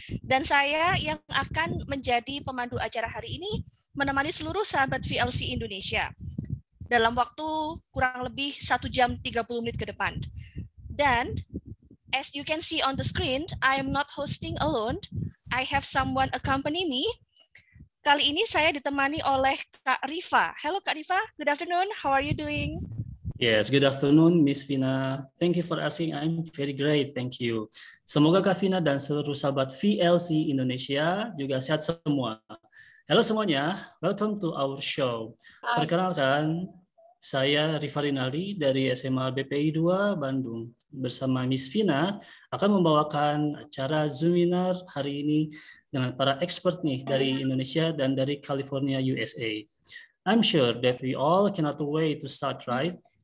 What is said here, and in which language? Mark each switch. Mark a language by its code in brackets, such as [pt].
[id] Dan saya yang akan menjadi pemandu acara hari ini, menemani seluruh sahabat VLC Indonesia dalam waktu kurang lebih 1 jam 30 menit ke depan. [en] Dan as you can see on the screen, I am not hosting alone. I have someone accompany me. [id] Kali ini saya ditemani oleh Kak Rifa. [en] Hello Kak Rifa, good afternoon. How are you doing? Yes, good afternoon Miss Vina. Thank you for asking. I'm very great, thank you. [id] Semoga Kak Vina dan seluruh sahabat VLC Indonesia juga sehat semua. Halo semuanya, [en] welcome to our show. Hi. [id] Perkenalkan, saya Rifa Rinaldi dari SMA BPI 2 Bandung. Bersama Miss Vina akan membawakan acara Zoominar hari ini dengan para expert nih dari Indonesia dan dari California, USA. [en] I'm sure that we all cannot wait to start, right?